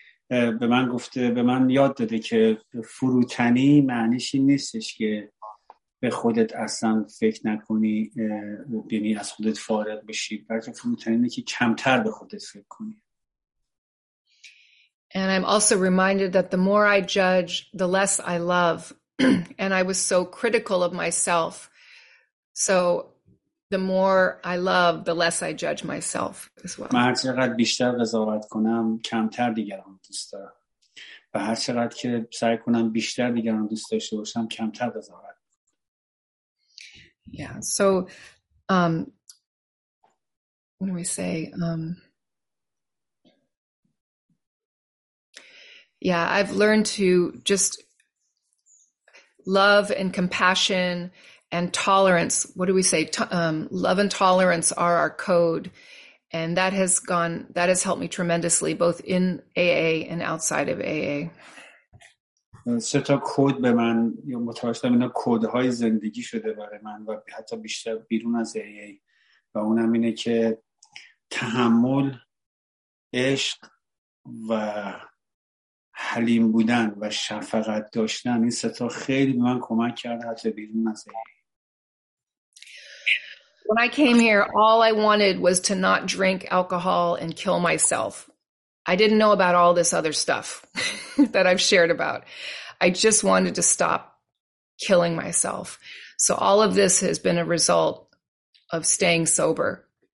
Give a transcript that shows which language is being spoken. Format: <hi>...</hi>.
<fa>به من گفته، به من یاد داده که فروتنی معنیش این نیستش که به خودت اصلا فکر نکنی، یعنی از خودت فارغ بشی، بلکه فروتنی اینه که کمتر به خودت فکر کنی.</fa> <en>And I'm also reminded that the more I judge, the less I love. And I was so critical of myself. So the more I love, the less I judge myself as well.</en> <fa>من هر چقدر بیشتر قضاوت کنم، کمتر دیگران دوست دارم. و هر چقدر که سعی کنم بیشتر دیگران دوست داشته باشم، کمتر قضاوت.</fa> <en>Yeah. So, what do we say? Yeah, I've learned to just love and compassion and tolerance. What do we say? Love and tolerance are our code, And that has helped me tremendously, both in AA and outside of AA.</en> <fa>سه تا کود به من یا متوجهم اینا کودهای زندگی شده برای من و حتی بیشتر بیرون از AA و اونم اینه که تحمل عشق و حلیم بودن و شفقت داشتن این سه تا خیلی به من کمک کرده حتی بیرون از AA.</fa> <en>When I came here, all I wanted was to not drink alcohol and kill myself. I didn't know about all this other stuff that I've shared about. I just wanted to stop killing myself. So all of this has been a result of staying sober.</en>